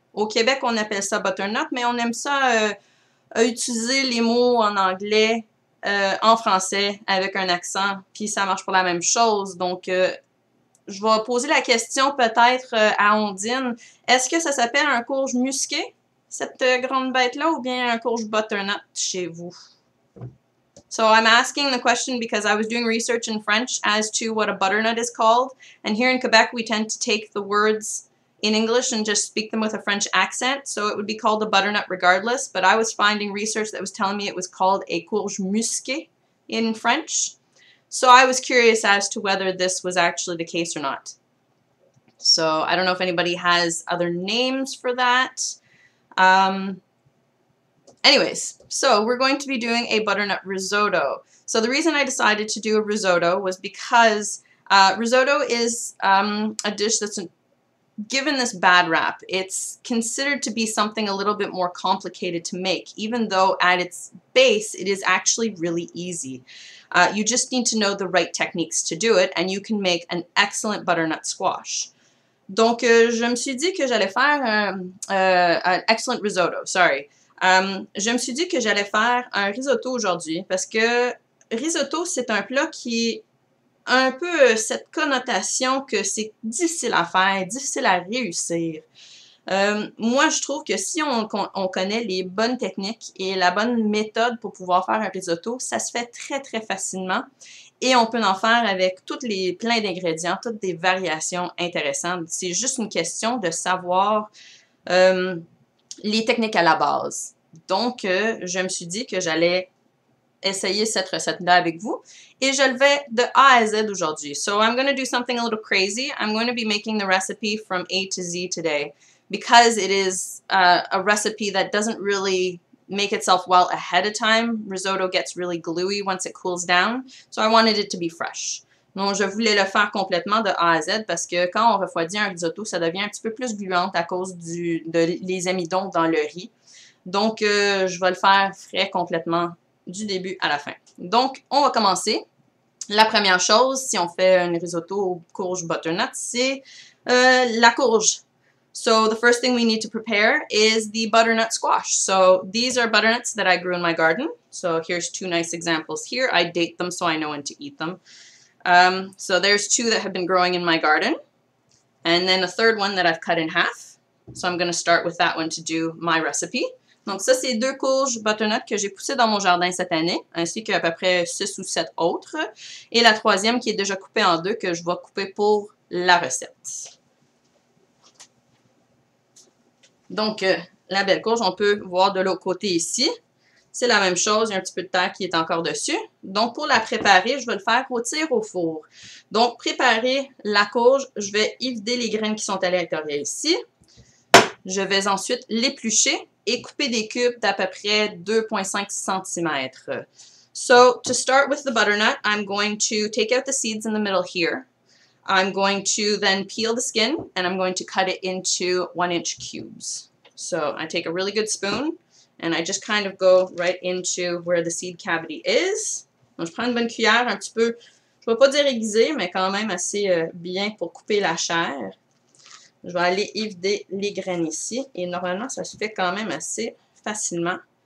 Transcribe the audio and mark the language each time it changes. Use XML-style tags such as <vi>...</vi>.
<fr>Au Québec, on appelle ça butternut, mais on aime ça utiliser les mots en anglais. En français, avec un accent, puis ça marche pour la même chose. Donc, je vais poser la question peut-être à Ondine. Est-ce que ça s'appelle un courge musqué, cette grande bête-là, ou bien un courge butternut chez vous?</fr> <en>So, I'm asking the question because I was doing research in French as to what a butternut is called. And here in Quebec, we tend to take the words in English and just speak them with a French accent, so it would be called a butternut regardless, but I was finding research that was telling me it was called a courge musquée in French, so I was curious as to whether this was actually the case or not. So I don't know if anybody has other names for that. Anyways, so we're going to be doing a butternut risotto. So the reason I decided to do a risotto was because risotto is a dish that's given this bad rap, it's considered to be something a little bit more complicated to make, even though at its base it is actually really easy. You just need to know the right techniques to do it, and you can make an excellent butternut squash.</en> <fr>Donc, je me suis dit que j'allais faire un excellent risotto, sorry. Je me suis dit que j'allais faire un risotto aujourd'hui, parce que risotto, c'est un plat qui un peu cette connotation que c'est difficile à faire, difficile à réussir. Moi, je trouve que si on connaît les bonnes techniques et la bonne méthode pour pouvoir faire un risotto, ça se fait très, très facilement. Et on peut en faire avec toutes les pleins d'ingrédients, toutes des variations intéressantes. C'est juste une question de savoir les techniques à la base. Donc, je me suis dit que j'allais essayer cette recette-là avec vous. Et je le vais de A à Z aujourd'hui.</fr> <en>So I'm going to do something a little crazy. I'm going to be making the recipe from A to Z today because it is a recipe that doesn't really make itself well ahead of time. Risotto gets really gluey once it cools down. So I wanted it to be fresh.</en> <fr>Donc, je voulais le faire complètement de A à Z parce que quand on refroidit un risotto, ça devient un petit peu plus gluant à cause des amidons dans le riz. Donc, je vais le faire frais complètement du début à la fin. Donc, on va commencer. La première chose, si on fait un risotto courge butternut, c'est la courge.</fr> <en>So, the first thing we need to prepare is the butternut squash. So, these are butternuts that I grew in my garden. So, here's two nice examples here. I date them so I know when to eat them. So, there's two that have been growing in my garden. And then a third one that I've cut in half. So, I'm going to start with that one to do my recipe.</en> <fr>Donc ça, c'est deux courges butternut que j'ai poussées dans mon jardin cette année, ainsi qu'à peu près 6 ou 7 autres. Et la troisième qui est déjà coupée en deux que je vais couper pour la recette. Donc, la belle courge, on peut voir de l'autre côté ici. C'est la même chose, il y a un petit peu de terre qui est encore dessus. Donc, pour la préparer, je vais le faire rôtir au four. Donc, préparer la courge, je vais évider les graines qui sont à l'intérieur ici. Je vais ensuite l'éplucher et couper des cubes d'à peu près 2,5 cm.</fr> <en>So, to start with the butternut, I'm going to take out the seeds in the middle here. I'm going to then peel the skin, and I'm going to cut it into 1-inch cubes. So, I take a really good spoon, and I just kind of go right into where the seed cavity is.</en> <fr>Donc, je prends une bonne cuillère, un petit peu, je ne vais pas dire aiguisée, mais quand même assez bien pour couper la chair. Je vais aller éviter les graines ici. Et normalement, ça se fait quand même assez facilement.</fr>